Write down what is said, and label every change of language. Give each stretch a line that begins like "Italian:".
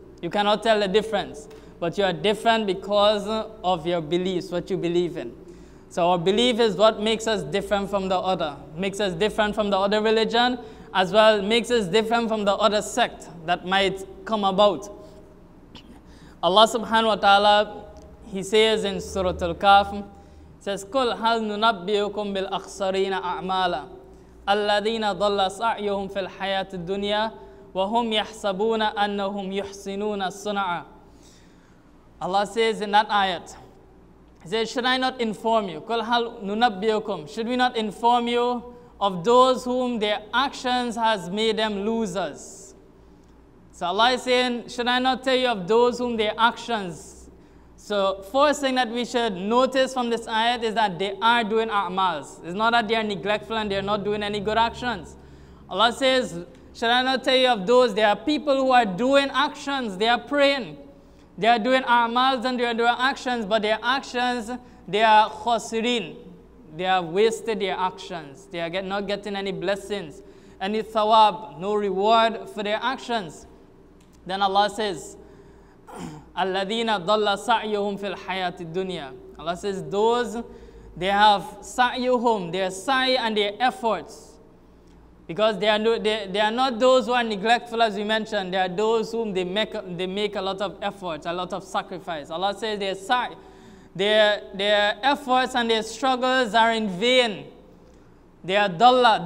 English: You cannot tell the difference. But you are different because of your beliefs, what you believe in. So our belief is what makes us different from the other. Makes us different from the other religion, as well makes us different from the other sect that might come about. Allah subhanahu wa ta'ala, He says in Surah Al-Kahf, says,
Arabic: قُلْ هَلْ نُنَبِّئُكُمْ بِالْأَخْسَرِينَ أَعْمَالًا أَلَّذِينَ ضَلَّ سَعْيُهُمْ فِي الْحَيَاةِ الدُّنْيَا وَهُمْ يَحْسَبُونَ أَنَّهُمْ يُحْسِنُونَ صُنَعًا.
English: Allah says in that ayat, He says, should I not inform you?
Arabic: قُلْ هَلْ نُنَبِّئُكُمْ.
English: Should we not inform you of those whom their actions has made them losers? So Allah is saying, should I not tell you of those whom their actions? So first thing that we should notice from this ayat is that they are doing a'mals. It's not that they are neglectful and they are not doing any good actions. Allah says, should I not tell you of those? There are people who are doing actions. They are praying. They are doing a'mals and they are doing actions. But their actions, they are khasirin. They have wasted their actions. They are not getting any blessings, any thawab, no reward for their actions. Then Allah says,
Arabic: أَلَّذِينَ ضَلَّ سَعْيُهُمْ فِي الْحَيَاةِ الدُّنْيَا.
English: Allah says, those, they have sa'yuhum, their sa'y and their efforts. Because they are not those who are neglectful, as we mentioned. They are those whom they make a lot of effort, a lot of sacrifice. Allah says their sa'y, their efforts and their struggles are in vain. They are dalla.